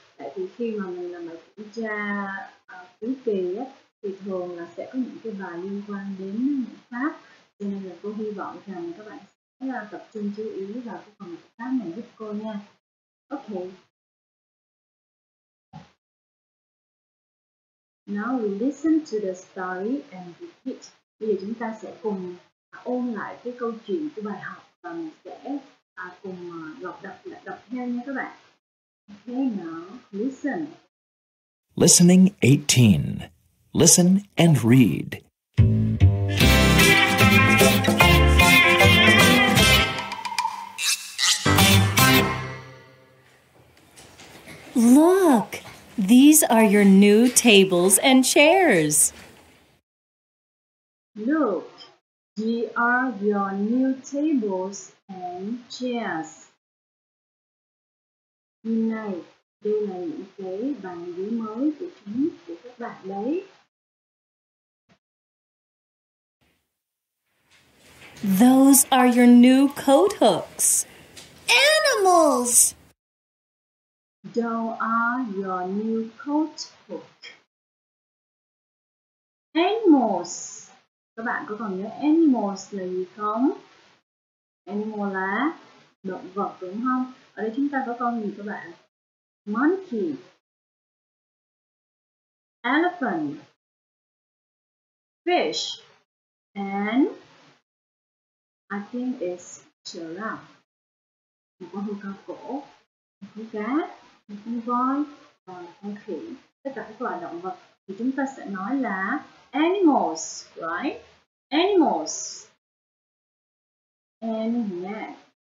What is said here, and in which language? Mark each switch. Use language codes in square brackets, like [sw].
[vi] Tại vì khi mà mình làm bài kiểm tra cuối kỳ á, thì thường là sẽ có những cái bài liên quan đến ngữ pháp. Cho nên là cô hy vọng rằng các bạn sẽ tập trung chú ý vào cái phần ngữ pháp này giúp cô nha. [en] Ok. Now we listen to the story and repeat. [vi] Bây giờ chúng ta sẽ cùng ôn lại cái câu chuyện của bài học và mình sẽ cùng đọc theo nha các bạn. [en] Okay, now listen. Listening 18. Listen and read. Look, these are your new tables and chairs. Look, these are your new tables and chairs. [vi] Này, đây là những cái bàn ghế mới của chúng của các bạn đấy. [en] Those are your new coat hooks. Animals! Those are your new coat hooks. Animals! [vi] Các bạn có còn nhớ animals là gì không? Animal là động vật đúng không? Ở đây chúng ta có con gì các bạn? [en] Monkey, elephant, fish, and I think it's giraffe. [vi] Một con cá cổ, một con cá, một con voi, và con khỉ. Tất cả các loại động vật thì chúng ta sẽ nói là animals, right? [en] Animals. And next.